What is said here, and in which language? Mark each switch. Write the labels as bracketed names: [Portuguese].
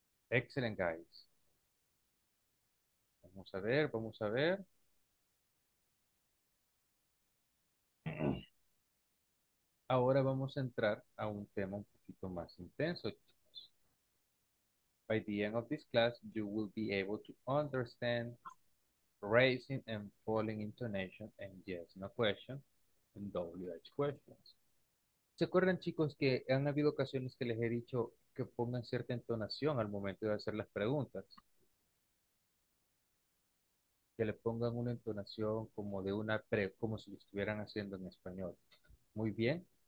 [English] Excellent, guys. [Spanish] Vamos a ver. Ahora vamos a entrar a un tema un poquito más intenso. [English] By the end of this class, you will be able to understand raising and falling intonation and yes, no question, and WH questions. [Spanish] ¿Se acuerdan, chicos, que han habido ocasiones que les he dicho que pongan cierta entonación al momento de hacer las preguntas? Que le pongan una entonación como de una pre, como si lo estuvieran haciendo en español. Muy bien.